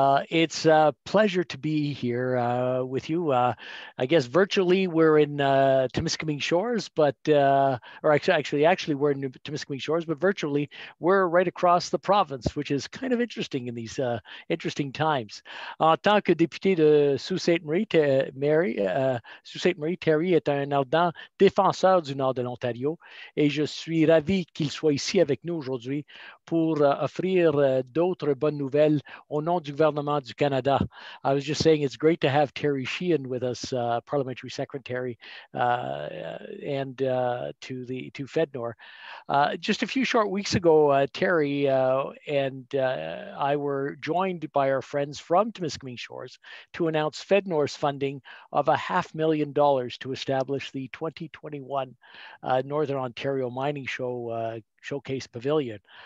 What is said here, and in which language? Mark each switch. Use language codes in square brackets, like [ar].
[en] It's a pleasure to be here with you. I guess virtually we're in Timiskaming Shores, but actually we're in Timiskaming Shores, but virtually we're right across the province, which is kind of interesting in these interesting times. [fr] En tant que député de Sault-Sainte-Marie-Terry est un ardent défenseur du nord de l'Ontario et je suis ravi qu'il soit ici avec nous aujourd'hui pour offrir d'autres bonnes nouvelles au nom du gouvernement du Canada. [en] I was just saying it's great to have Terry Sheehan with us, Parliamentary Secretary, and to FedNor. Just a few short weeks ago, Terry and I were joined by our friends from Timiskaming Shores to announce FedNor's funding of $500,000 to establish the 2021 Northern Ontario Mining Show Showcase Pavilion.